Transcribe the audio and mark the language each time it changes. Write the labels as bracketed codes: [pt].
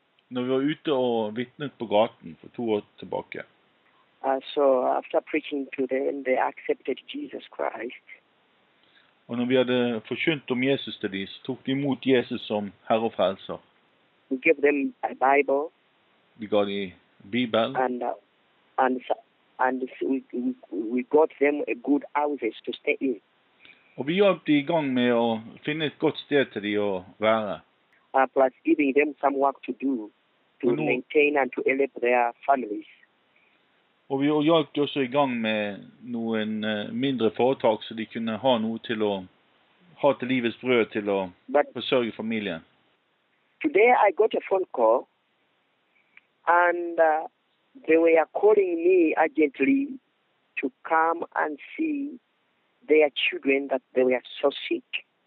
[no] Når vi var ute og vitnet på gaten for 2 år tilbake. [en] So after preaching to them, they accepted Jesus Christ. [no] Og når vi hadde forkynt om Jesus til dem, så tok de imot Jesus som Herre og Frelser. [en] We gave them a Bible. [no] Vi gav dem Bibel. [en] And we got them a good house to stay in. [no] Og vi hjalp dem i gang med å finne et godt sted til dem å være. [en] Plus giving them some work to do to maintain and to help their families. [no] Og vi hjalp dem også i gang med noen mindre foretak så de kunne ha noe til å ha til livets brød til å forsørge familien. [en] Today I got a phone call and they were calling me urgently to come and see their children that they were so sick.